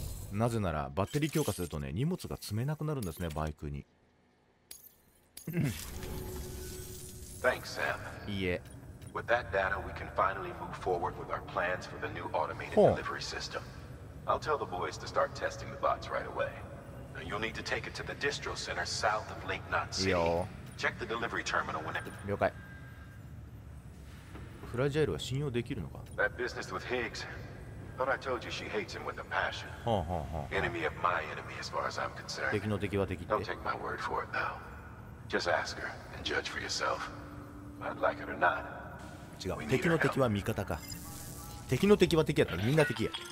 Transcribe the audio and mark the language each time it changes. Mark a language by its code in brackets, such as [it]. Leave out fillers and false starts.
[ja] なぜならバッテリー強化するとね、荷物が積めなくなるんですね、バイクに。 [en] Thanks, Sam. [ja] いいえ。 [en] With that data, we can finally move forward with our plans for the new automated delivery system. I'll tell the boys to start testing the bots right away. Now you'll need to take it to the distro center south of Lake Knot City. Check the delivery terminal when it... [ja] 了解。フラジャイルは信用できるのか? [en] That business with Higgs. But I told you she hates him with a passion. はあはあはあ。 Enemy of my enemy as far as I'm concerned. [ja] 敵の敵は敵って。 [en] Don't take my word for it though. Just ask her and judge for yourself. I'd like it or not. [ja] 違う。敵の敵は味方か。敵の敵は敵やったらみんな敵や。